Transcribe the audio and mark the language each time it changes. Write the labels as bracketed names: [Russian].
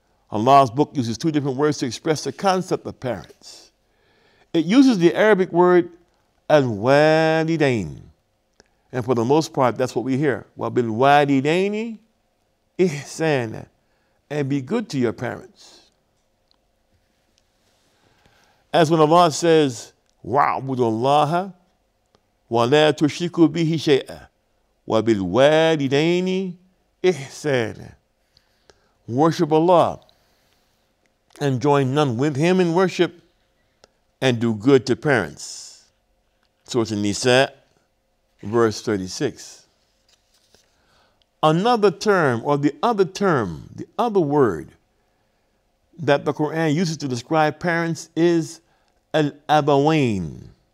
[English] Allah's book uses two different words to express the concept of parents. It uses the Arabic word al-walidain. And for the most part, that's what we hear. [Arabic] وَبِالْوَالِدَيْنِ إِحْسَانًا. [English] And be good to your parents. As when Allah says, [Arabic] وَعْبُدُ اللَّهَ وَلَا تُشْرِكُوا بِهِ شَيْئًا وَبِالْوَالِدَيْنِ إِحْسَانًا. [English] Worship Allah and join none with him in worship and do good to parents. So it's in Nisa, verse 36. Another term, or the other word that the Quran uses to describe parents is al-abawain.